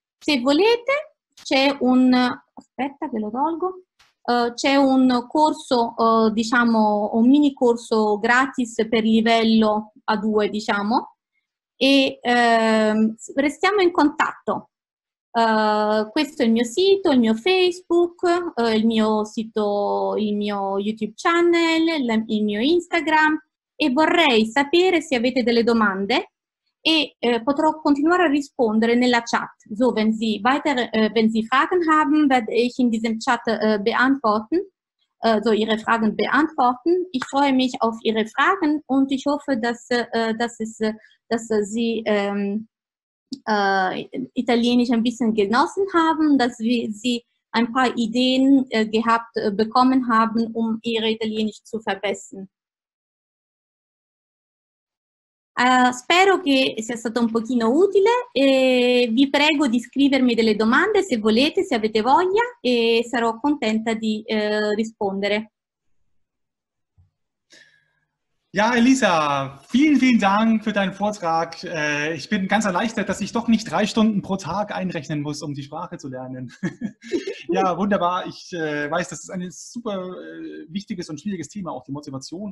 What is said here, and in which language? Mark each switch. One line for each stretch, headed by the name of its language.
Italian: Se volete, c'è un corso, diciamo, un mini corso gratis per livello A2, diciamo, e restiamo in contatto. Questo è il mio sito, il mio Facebook, il mio YouTube channel, il mio Instagram, e vorrei sapere se avete delle domande. E potrò continuare a rispondere nella chat.
German: So, wenn Sie Fragen haben, werde ich in diesem Chat beantworten. So, Ihre Fragen beantworten. Ich freue mich auf Ihre Fragen und ich hoffe, dass Sie Italienisch ein bisschen genossen haben, dass Sie ein paar Ideen bekommen haben, um Ihre Italienisch zu verbessern.
Italian: Spero che sia stato un pochino utile e vi prego di scrivermi delle domande se volete, se avete voglia, e sarò contenta di rispondere.
German: Ja, Elisa, vielen, vielen Dank für deinen Vortrag. Ich bin ganz erleichtert, dass ich doch nicht 3 Stunden pro Tag einrechnen muss, um die Sprache zu lernen. Ja, wunderbar. Ich weiß, das ist ein super wichtiges und schwieriges Thema, auch die Motivation.